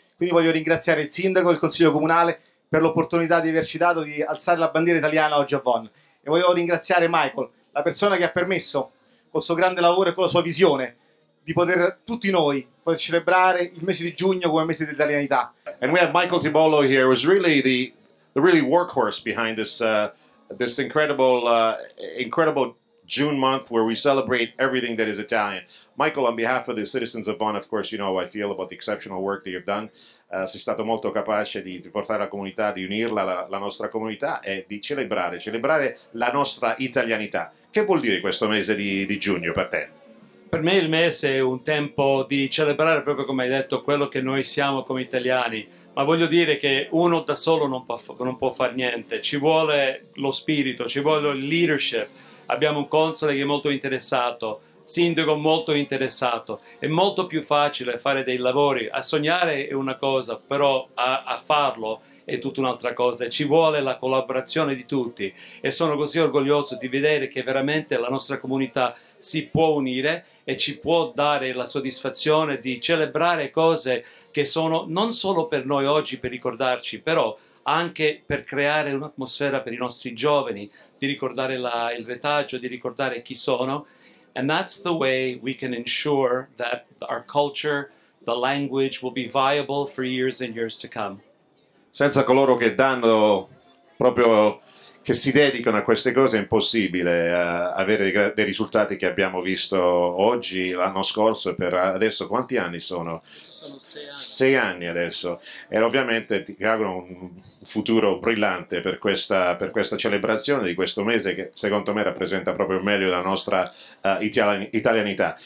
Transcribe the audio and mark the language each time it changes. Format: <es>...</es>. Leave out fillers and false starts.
<it>Quindi voglio ringraziare il sindaco e il consiglio comunale per l'opportunità di averci dato di alzare la bandiera italiana oggi a Bonn. E voglio ringraziare Michael, la persona che ha permesso, col suo grande lavoro e con la sua visione, di poter tutti noi poter celebrare il mese di giugno come mese dell'italianità.</it> <en>And we have Michael Tibolo here, who is really the really workhorse behind this this incredible June month where we celebrate everything that is Italian. Michael, on behalf of the citizens of Bonn, of course, you know how I feel about the exceptional work that you've done.</en> <it>Sei stato molto capace di portare la comunità, di unirla, la nostra comunità e di celebrare la nostra italianità. Che vuol dire questo mese di giugno per te? Per me il mese è un tempo di celebrare, proprio come hai detto, quello che noi siamo come italiani. Ma voglio dire che uno da solo non può far niente. Ci vuole lo spirito, ci vuole il leadership. Abbiamo un console che è molto interessato, sindaco molto interessato. È molto più facile fare dei lavori. A sognare è una cosa, però a farlo è tutta un'altra cosa. Ci vuole la collaborazione di tutti. E sono così orgoglioso di vedere che veramente la nostra comunità si può unire e ci può dare la soddisfazione di celebrare cose che sono non solo per noi oggi per ricordarci, però anche per creare un'atmosfera per i nostri giovani, di ricordare il retaggio, di ricordare chi sono.</it> <en>And that's the way we can ensure that our culture, the language, will be viable for years and years to come.</en> <it>Senza coloro che danno, proprio che si dedicano a queste cose, è impossibile avere dei risultati che abbiamo visto oggi, l'anno scorso e per adesso. Quanti anni sono? Sono 6 anni. 6 anni adesso. E ovviamente ti auguro un futuro brillante per questa celebrazione di questo mese, che secondo me rappresenta proprio meglio la nostra italianità.</it>